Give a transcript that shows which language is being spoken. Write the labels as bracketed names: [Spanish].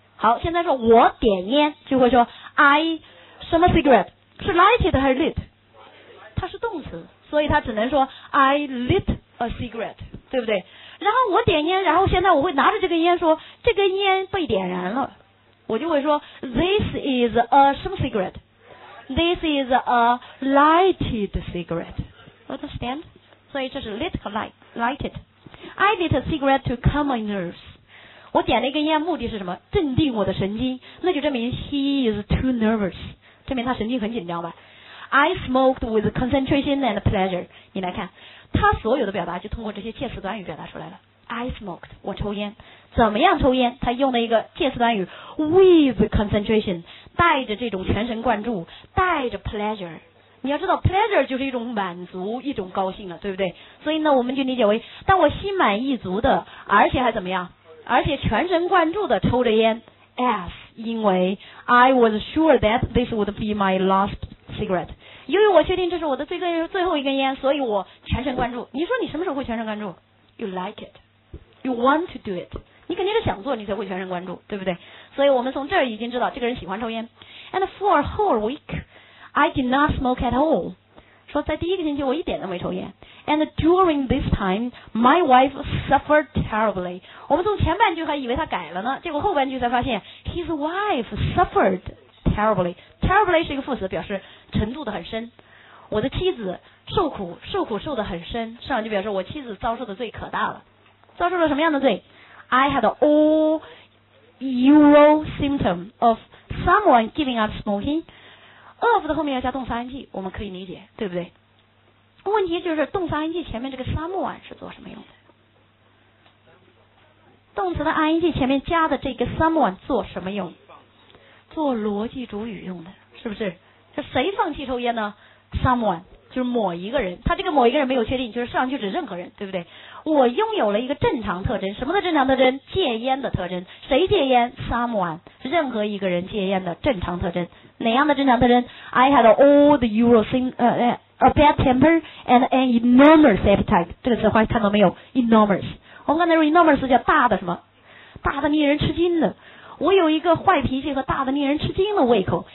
[Chinese] 好，现在说我点烟，就会说 I 什么 cigarette 是 lighted 还是 lit， 它是动词，所以它只能说 [English] I lit a cigarette， [Chinese] 对不对？然后我点烟，然后现在我会拿着这根烟说这根烟被点燃了，我就会说 This is a 什么 cigarette， [English] This is a lighted cigarette. Understand? [Chinese] 所以这是 lit 和 lighted. [English] I lit a cigarette to calm my nerves. [Chinese] 我点了一根烟，目的是什么？镇定我的神经。那就证明 [English] he is too nervous. [Chinese] 证明他神经很紧张吧。 [English] I smoked with concentration and pleasure. [Chinese] 你来看，他所有的表达就通过这些介词短语表达出来了。 [English] I smoked, [Chinese] 我抽烟。怎么样抽烟？他用了一个介词短语 [English] with concentration， [Chinese] 带着这种全神贯注，带着 pleasure， 你要知道 pleasure 就是一种满足，一种高兴了，对不对？所以呢我们就理解为，当我心满意足的，而且还怎么样，而且全神贯注的抽着烟， as 因为 [English] I was sure that this would be my last cigarette， [Chinese] 由于我确定这是我的最后一根烟，所以我全神贯注。你说你什么时候会全神贯注？ [English] You like it， You want to do it， [Chinese] 你肯定是想做你才会全神贯注，对不对？所以我们从这儿已经知道这个人喜欢抽烟。 [English] And for a whole week I did not smoke at all， [Chinese] 说在第一个星期我一点都没抽烟。 [English] And during this time my wife suffered terribly， [Chinese] 我们从前半句还以为他改了呢，结果后半句才发现 [English] his wife suffered terribly， [Chinese] terribly 是一个副词，表示程度的很深，我的妻子受苦，受苦受得很深，上句表示我妻子遭受的罪可大了，遭受了什么样的罪？ [English] I had all euro symptoms of someone giving up smoking. [Chinese] Of 的后面要加动词 ing， 我们可以理解，对不对？问题就是动词 ing 前面这个 someone 是做什么用的？动词的 ing 前面加的这个 someone 做什么用？做逻辑主语用的，是不是？这谁放弃抽烟呢？Someone。就是某一个人，他这个某一个人没有确定，就是上去指任何人，对不对？我拥有了一个正常特征，什么的正常特征？戒烟的特征。谁戒烟？ Someone， 任何一个人戒烟的正常特征。哪样的正常特征？ [English] I had all the usual a bad temper and an enormous appetite， [Chinese] 这个词话看到没有？ enormous， 我们刚才说 enormous 叫大的什么？大的令人吃惊的，我有一个坏脾气和大的令人吃惊的胃口。